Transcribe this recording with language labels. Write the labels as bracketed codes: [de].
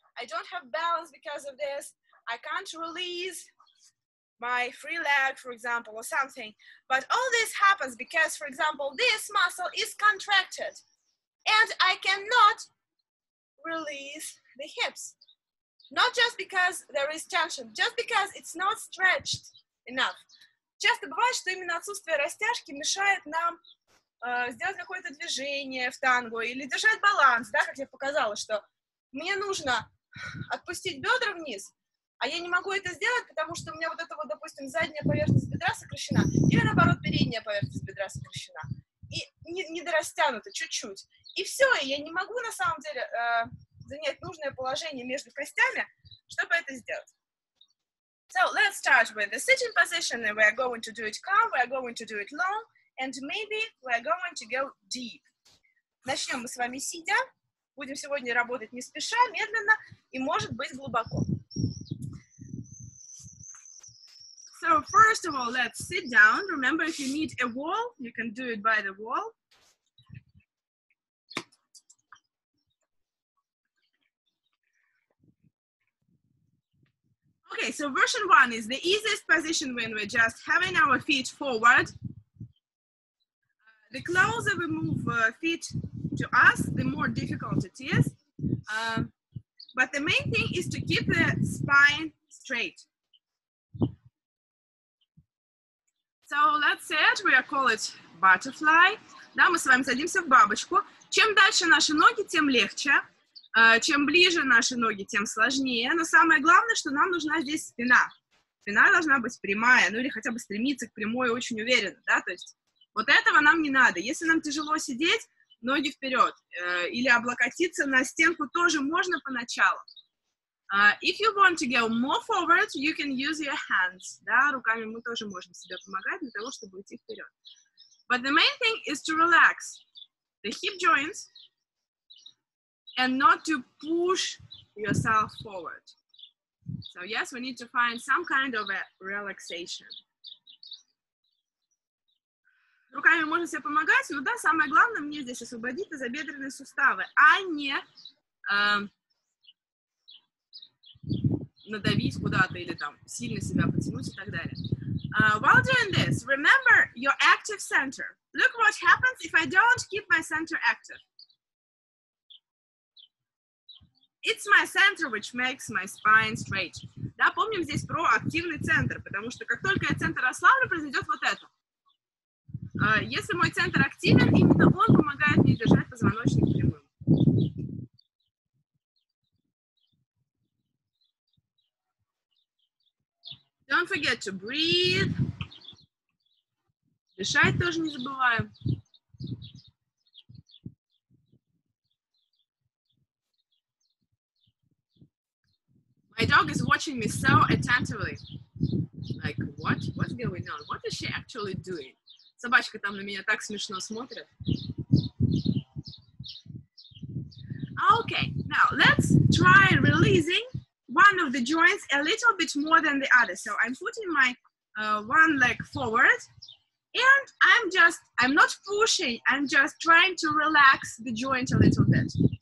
[en] I don't have balance because of this. I can't release my free leg, for example, or something. But all this happens because, for example, this muscle is contracted and I cannot release the hips. Not just because there is tension, just because it's not stretched enough. [ru] Часто бывает, что именно отсутствие растяжки мешает нам сделать какое-то движение в танго или держать баланс, да, как я показала, что мне нужно отпустить бедра вниз, а я не могу это сделать, потому что у меня вот эта вот, допустим, задняя поверхность бедра сокращена, или наоборот, передняя поверхность бедра сокращена, и недорастянута чуть-чуть. И все, и я не могу на самом деле занять нужное положение между костями, чтобы это сделать. [en] So let's start with the sitting position, and we're going to do it calm, we're going to do it long, and maybe we're going to go deep. [ru] Начнем мы с вами сидя. Будем сегодня работать не спеша, медленно, и может быть глубоко. [en] So first of all, let's sit down. Remember, if you need a wall, you can do it by the wall. Okay, so version one is the easiest position when we're just having our feet forward. The closer we move feet to us, the more difficult it is. But the main thing is to keep the spine straight. So that's it, we are call it butterfly. [ru] Да, мы с вами садимся в бабочку. Чем дальше наши ноги, тем легче. Чем ближе наши ноги, тем сложнее. Но самое главное, что нам нужна здесь спина. Спина должна быть прямая, ну или хотя бы стремиться к прямой очень уверенно, да, то есть вот этого нам не надо. Если нам тяжело сидеть, ноги вперед. Или облокотиться на стенку тоже можно поначалу. [en] If you want to go more forward, you can use your hands. [ru] Да, руками мы тоже можем себе помогать для того, чтобы идти вперед. [en] But the main thing is to relax the hip joints, and not to push yourself forward. So yes, we need to find some kind of a relaxation. [ru] Руками можно себе помогать, но да, самое главное мне здесь освободить тазобедренные суставы, а не надавить куда-то или там сильно себя потянуть и так далее. [en] While doing this, remember your active center. Look what happens if I don't keep my center active. It's my center which makes my spine straight. [ru] Да, помним здесь про активный центр, потому что как только я центр ослаблю, произойдет вот это. Если мой центр активен, именно он помогает мне держать позвоночник прямым. [en] Don't forget to breathe. [ru] Дышать тоже не забываем. [en] My dog is watching me so attentively. Like, what? What's going on? What is she actually doing? [ru] Собачка там на меня так смешно смотрит. [en] Okay, now let's try releasing one of the joints a little bit more than the other. So I'm putting my one leg forward and I'm not pushing, I'm just trying to relax the joint a little bit.